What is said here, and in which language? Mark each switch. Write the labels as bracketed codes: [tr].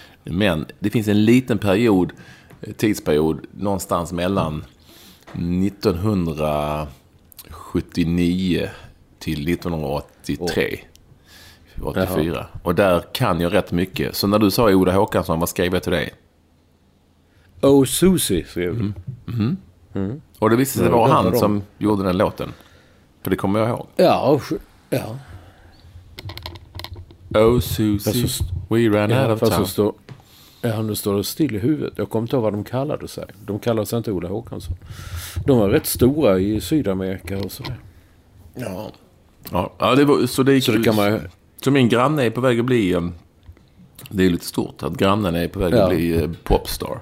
[sv] Men det finns en liten period, tidsperiod, någonstans mellan 1979 till 1983, 84. Och där kan jag rätt mycket. Så när du sa Oda Håkansson, vad skrev jag till dig? Oh, Susie, skrev du. Och det visste sig vara han som gjorde den låten. För det kommer jag ihåg. Ja. [en] Oh, Susie, we ran out of town. [sv] Ja, nu står det still i huvudet. Jag kommer inte ihåg vad de kallade sig. De kallade sig inte Ola Håkansson. De var rätt stora i Sydamerika och sådär. Ja, det var, så det gick, så det kan man... Så min granne är på väg att bli... Det är lite stort att grannen är på väg att bli popstar.